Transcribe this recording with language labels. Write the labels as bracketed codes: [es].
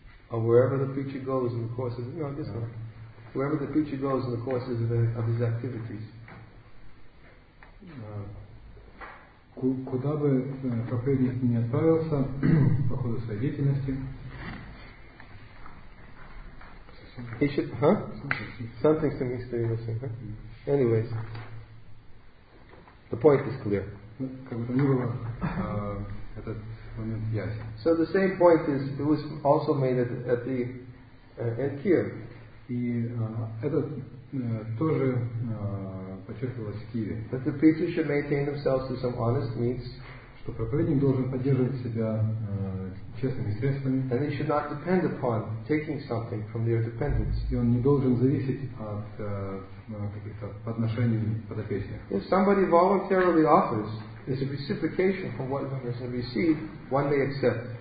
[en] Or wherever the preacher goes in the course of, wherever the preacher goes in the course of his activities. [ru] Куда бы проповедник ни отправился по ходу своей деятельности, [en] he should, something seems to be missing, Anyways, the point is clear. Yes. So the same point is, it was also made at the at Kiev. [ru] И это тоже подчеркивалось в Киеве. [en] That the preacher should maintain themselves through some honest means. [ru] Что проповедник должен поддерживать себя честными средствами. [en] And he should not depend upon taking something from their dependents. [ru] И он не должен зависеть от каких-то подношений подопечных. [en] If somebody voluntarily offers, it's a reciprocation from what one has received, one may accept.